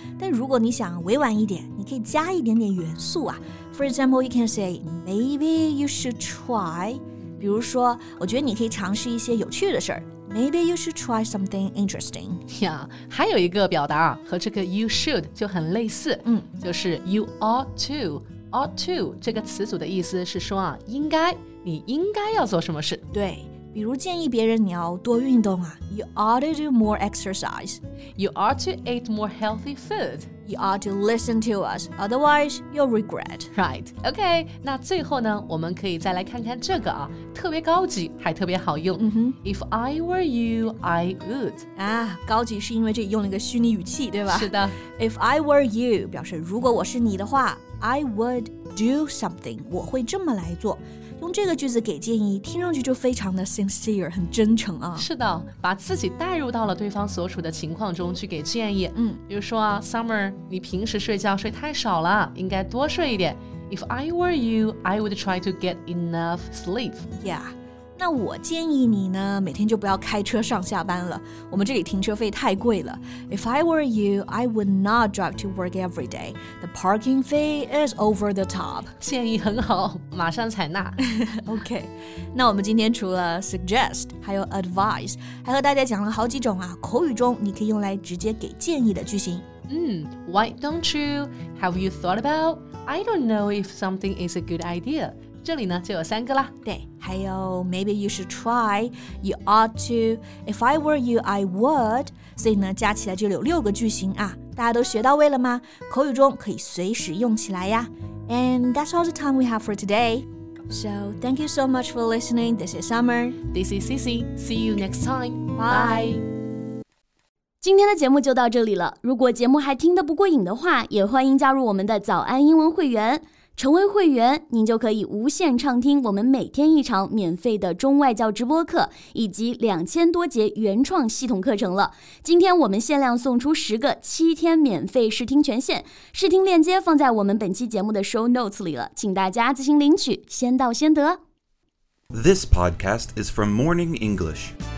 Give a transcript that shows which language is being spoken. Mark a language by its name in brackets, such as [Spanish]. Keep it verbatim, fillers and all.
[Chinese] 但如果你想委婉一点，你可以加一点点元素啊。 [English] For example, you can say, maybe you should try. [Chinese] 比如说，我觉得你可以尝试一些有趣的事儿。 [English] Maybe you should try something interesting. [Chinese] Yeah, 还有一个表达啊，和这个 you should 就很类似，嗯， [English] 就是 you ought to. [Chinese] Ought to 这个词组的意思是说啊，应该，你应该要做什么事。对。比如建议别人你要多运动啊 You ought to do more exercise [English] You ought to eat more healthy food You ought to listen to us Otherwise you'll regret [Chinese] Right, okay 那最后呢我们可以再来看看这个啊特别高级还特别好用、 mm-hmm. [English] If I were you, I would [Chinese] 啊，高级是因为这用了一个虚拟语气对吧是的 If I were you 表示如果我是你的话 I would do something 我会这么来做用这个句子给建议听上去就非常的 sincere 很真诚啊是的把自己带入到了对方所处的情况中去给建议嗯，比如说啊 Summer 你平时睡觉睡太少了应该多睡一点 If I were you I would try to get enough sleep Yeah 那我建议你呢每天就不要开车上下班了我们这里停车费太贵了 If I were you I would not drive to work every day The parking fee is over the top 建议很好马上采纳 OK 那我们今天除了 suggest 还有 advice 还和大家讲了好几种啊口语中你可以用来直接给建议的句型 [English] 嗯 Why don't you? Have you thought about? I don't know if something is a good idea 这里呢就有三个啦对还有 Maybe you should try You ought to If I were you, I would 所以呢加起来就有六个句型啊大家都学到位了吗口语中可以随时用起来呀 And that's all the time we have for today So thank you so much for listening This is Summer This is Cici See you next time Bye, Bye. [Chinese] 今天的节目就到这里了如果节目还听得不过瘾的话也欢迎加入我们的早安英文会员成为会员您就可以无限畅听我们每天一场免费的中外教直播课以及两千多节原创系统课程了今天我们限量送出十个七天免费试听权限试听链接放在我们本期节目的 show notes 里了请大家自行领取先到先得 [English] This podcast is from Morning English